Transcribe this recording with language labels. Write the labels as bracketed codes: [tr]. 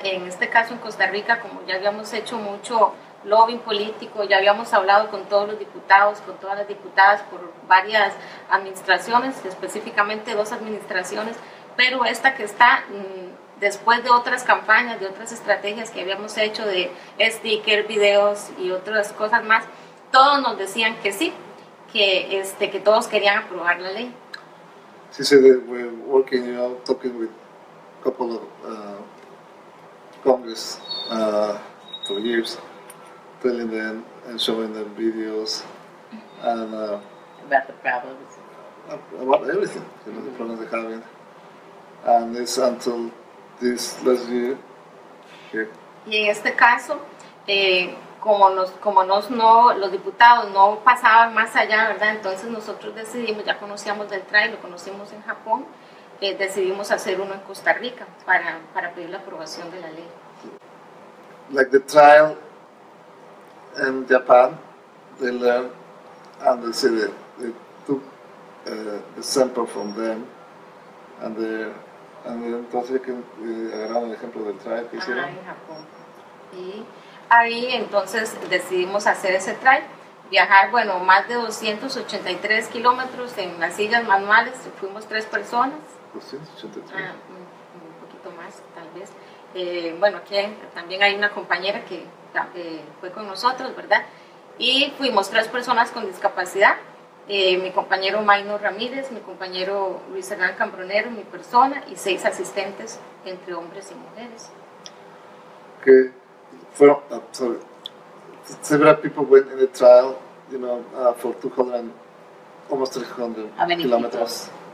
[es] En este caso en Costa Rica, como ya habíamos hecho mucho lobbying político, ya habíamos hablado con todos los diputados, con todas las diputadas por varias administraciones, específicamente dos administraciones, pero esta que está después de otras campañas, de otras estrategias que habíamos hecho de stickers, videos y otras cosas más, todos nos decían que sí, que todos querían aprobar la ley. [en] She said that we're working, you know, talking with a couple of Congress for years, telling them and showing them videos and about the problems. About everything, you know, the problems they're having. And it's until this last year here. [es] Y en este caso, como los diputados no pasaban más allá, ¿verdad? Entonces nosotros decidimos, ya conocíamos del TRAI, lo conocimos en Japón, decidimos hacer uno en Costa Rica para pedir la aprobación de la ley. [en] Like the trial in Japan, they learned and they said that they took the sample from them and [es] entonces agarraron el ejemplo del trial que hicieron. Ah, en Japón. Y ahí entonces decidimos hacer ese trail, viajar, bueno, más de 283 kilómetros en las sillas manuales, fuimos tres personas. 283. Un poquito más, tal vez. Bueno, aquí también hay una compañera que fue con nosotros, ¿verdad? Y fuimos tres personas con discapacidad, mi compañero Maino Ramírez, mi compañero Luis Hernán Cambronero, mi persona, y seis asistentes entre hombres y mujeres. ¿Qué? Fueron, [en] several people went in the trial, you know, for 200, almost 300 kilometers.